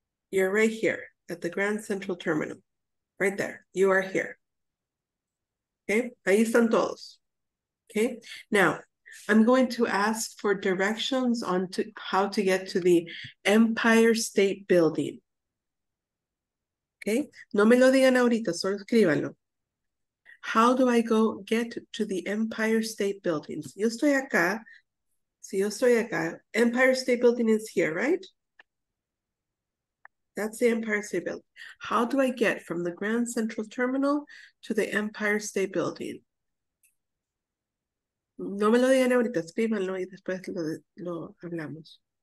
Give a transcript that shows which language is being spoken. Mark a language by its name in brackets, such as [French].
[English] You're right here at the Grand Central Terminal, right there. You are here. Okay, [Spanish] ahí están todos. [English] Okay, now I'm going to ask for directions on how to get to the Empire State Building. [Spanish] Okay, no me lo digan ahorita, solo escríbanlo. [English] How do I go get to the Empire State Building? [Spanish] Si yo estoy acá, Empire State Building [English] is here, right? That's the Empire State Building. How do I get from the Grand Central Terminal to the Empire State Building? [Spanish] No me lo digan ahorita, escríbanlo y después lo hablamos.